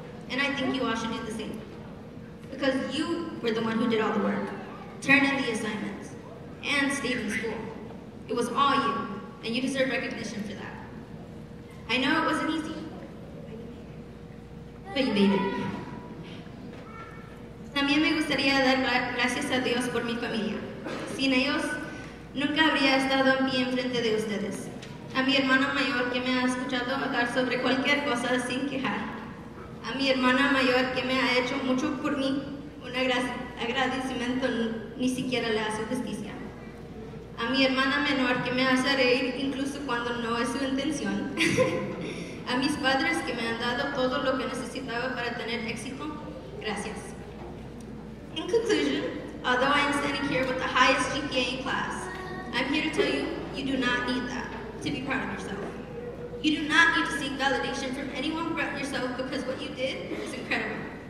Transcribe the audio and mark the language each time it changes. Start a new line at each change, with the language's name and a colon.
English: And I think you all should do the same. Because you were the one who did all the work, turned in the assignments, and stayed in school. It was all you, and you deserve recognition for that. I know it wasn't easy, but you made it.
Spanish: También me gustaría dar gracias a Dios por mi familia. Sin ellos, nunca habría estado en pie enfrente de ustedes. A mi hermana mayor que me ha escuchado hablar sobre cualquier cosa sin quejar. A mi hermana mayor que me ha hecho mucho por mí, un agradecimiento ni siquiera le hace justicia. A mi hermana menor que me hace reír incluso cuando no es su intención. A mis padres que me han dado todo lo que necesitaba para tener éxito, gracias.
English: In conclusion, although I am standing here with the highest GPA in class, I'm here to tell you, you do not need that to be proud of yourself. You do not need to seek validation from anyone but yourself because what you did is incredible.